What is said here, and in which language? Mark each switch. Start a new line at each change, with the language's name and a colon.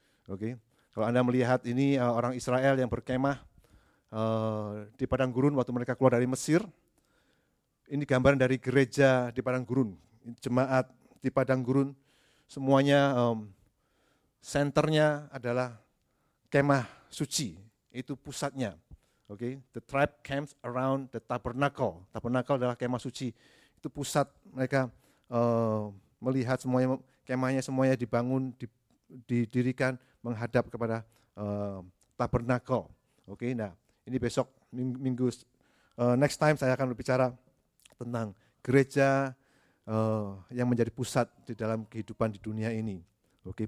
Indonesian: Oke. Kalau Anda melihat ini orang Israel yang berkemah di padang gurun waktu mereka keluar dari Mesir. Ini gambaran dari gereja di padang gurun. Jemaat di padang gurun semuanya senternya adalah kemah suci, itu pusatnya. Oke, okay?
English: The tribe camps around the tabernacle.
Indonesian: Tabernacle adalah kemah suci. Itu pusat mereka melihat semuanya kemahnya semuanya dibangun didirikan menghadap kepada tabernacle. Oke, okay? Nah, ini besok minggu next time saya akan berbicara tentang gereja yang menjadi pusat di dalam kehidupan di dunia ini. Oke, okay?